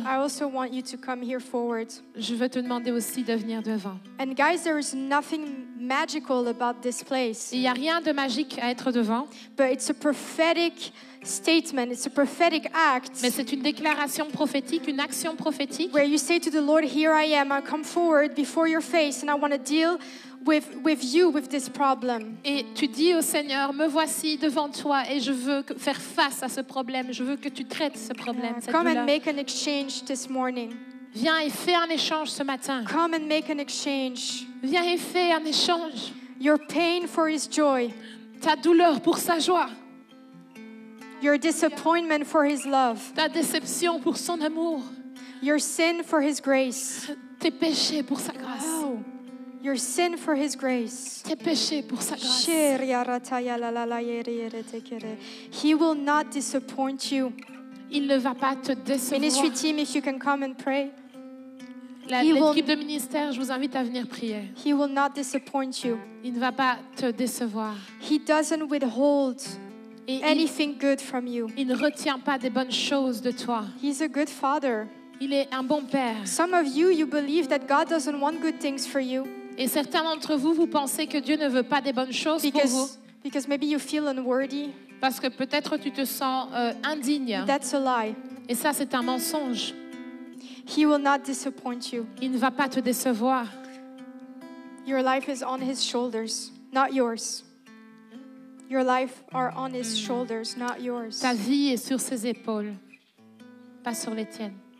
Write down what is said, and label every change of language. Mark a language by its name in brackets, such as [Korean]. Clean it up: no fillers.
[English] I also want you to come here forward. [French] Je veux te demander aussi de venir devant. [English] And guys, there is nothing magical about this place. [French] Il y a rien de magique à être devant. [English] But it's a prophetic statement. It's a prophetic act. [French] Mais c'est une déclaration prophétique, une action prophétique. [English] Where you say to the Lord, "Here I am. I come forward before your face, and I want to deal." With you, with this problem. [French] Et tu dis au Seigneur, me voici devant toi et je veux faire face à ce problème. Je veux que tu traites ce problème, cette [English] Come [French] douleur. [English] And make an exchange this morning. [French] Viens et fais un échange ce matin. [English] Come and make an exchange. [French] Viens et fais un échange. [English] Your pain for his joy. [French] Ta douleur pour sa joie. [English] Your disappointment for his love. [French] Ta déception pour son amour. [English] Your sin for his grace. [French] Tes péchés pour sa grâce. [English] Wow. Your sin for his grace. [French] Tes péchés pour sa grâce. [English] He will not disappoint you. [French] Il ne va pas te décevoir. [English] Ministry team, if you can come and pray. [French] L'équipe de ministère, je vous invite à venir prier. [English] He will not disappoint you. [French] Il ne va pas te décevoir. [English] He doesn't withhold anything good from you. [French] Il ne retient pas des bonnes choses de toi. [English] He's a good father. [French] Il est un bon père. [English] Some of you, you believe that God doesn't want good things for you. [French] Et certains d'entre vous, vous pensez que Dieu ne veut pas des bonnes choses [English] because, [French] pour vous. [English] Because maybe you feel unworthy. [French] Parce que peut-être tu te sens indigne. [English] That's a lie. [French] Et ça, c'est un mensonge. [English] He will not disappoint you. [French] Il ne va pas te décevoir. [English] Your life is on his shoulders, not yours. Your life are on his shoulders, not yours. [French] Ta vie est sur ses épaules, pas sur les tiennes.